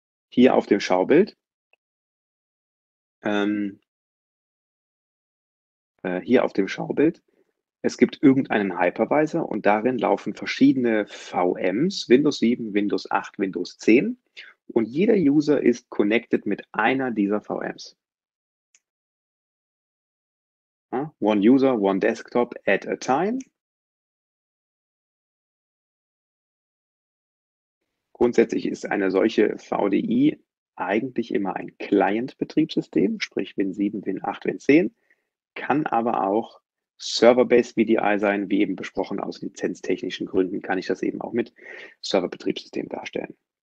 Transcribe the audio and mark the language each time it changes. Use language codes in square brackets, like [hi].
[de] Hier auf dem Schaubild. Hier auf dem Schaubild Es gibt irgendeinen Hypervisor und darin laufen verschiedene VMs, Windows 7, Windows 8, Windows 10. Und jeder User ist connected mit einer dieser VMs. [en] One user, one desktop at a time. [de] Grundsätzlich ist eine solche VDI eigentlich immer ein Client-Betriebssystem, sprich Win 7, Win 8, Win 10, kann aber auch Server-based VDI sein, wie eben besprochen, aus lizenztechnischen Gründen kann ich das eben auch mit Server-Betriebssystem darstellen.